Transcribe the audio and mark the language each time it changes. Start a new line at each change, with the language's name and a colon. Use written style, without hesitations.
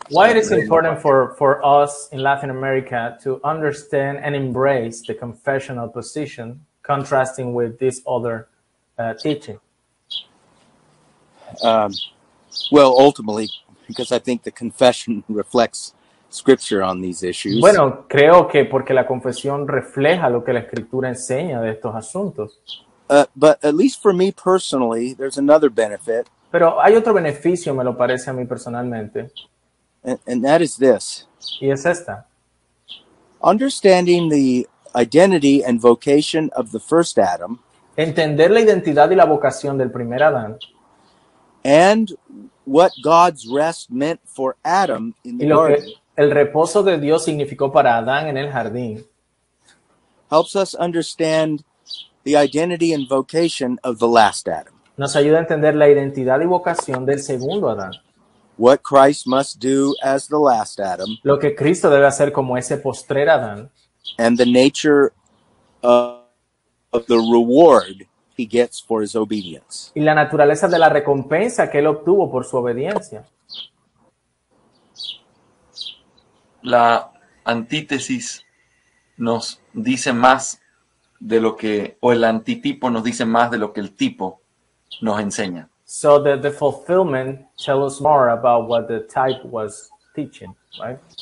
English: Why it is important for us in Latin America to understand and embrace the confessional position contrasting with this other teaching? Well, ultimately, because I think the confession reflects scripture on these issues.
Spanish: Bueno, creo que porque la confesión refleja lo que la escritura enseña de estos asuntos.
English: But at least for me personally, there's another benefit.
Spanish: Pero hay otro beneficio, me lo parece a mí personalmente.
English: And that is this.
Spanish: Y es esta.
English: Understanding the identity and vocation of the first Adam.
Spanish: Entender la identidad y la vocación del primer Adán.
English: And what God's rest meant for Adam in the garden.
Spanish: El reposo de Dios significó para Adán en el jardín.
English: Helps us understand the identity and vocation of the last Adam.
Spanish: Nos ayuda a entender la identidad y vocación del segundo Adán.
English: What Christ must do as the last Adam.
Spanish: Lo que Cristo debe hacer como ese postrer Adán.
English: And the nature of the reward he gets for his obedience.
Spanish: Y la naturaleza de la recompensa que él obtuvo por su obediencia. La antítesis nos dice más de lo que, o el antitipo nos dice más de lo que el tipo nos enseña.
English: So the fulfillment tells us more about what the type was teaching, right?